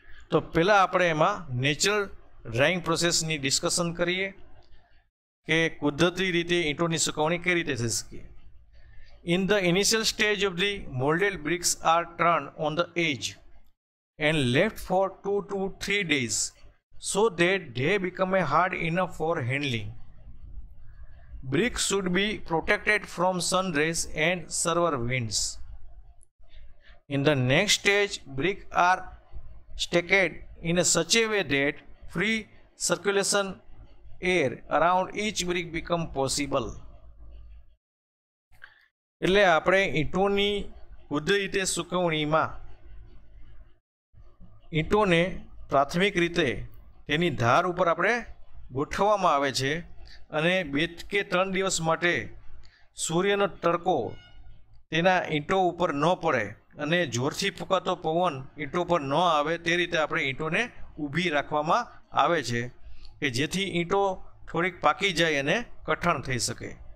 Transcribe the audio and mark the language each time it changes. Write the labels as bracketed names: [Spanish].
[Gujarati] તો પહેલાં આપણે એમાં નેચરલ ડ્રાઇંગ પ્રોસેસની ડિસ્કશન કરીએ કે કુદરતી રીતે ઈંટોની સુકવણી કઈ રીતે થઈ શકે। [English] In the initial stage of the moulded bricks are turn on the edge and left for 2 to 3 days so that they become hard enough for handling. Bricks should be protected from sun rays and server winds. In the next stage, bricks are stacked in such a way that free circulation air around each brick become possible. [Gujarati] એટલે આપણે ઈંટોની કુદરતી રીતે સુકવણીમાં ઈંટોને પ્રાથમિક રીતે તેની ધાર ઉપર આપણે ગોઠવવામાં આવે છે અને 2 કે 3 દિવસ માટે સૂર્યનો તડકો તેના ઈંટો ઉપર ન પડે અને જોરથી ફૂંકાતો પવન ઈંટો પર ન આવે તે રીતે આપણે ઈંટોને ઊભી રાખવામાં આવે છે કે જેથી ઈંટો થોડીક પાકી જાય અને કઠણ થઈ શકે।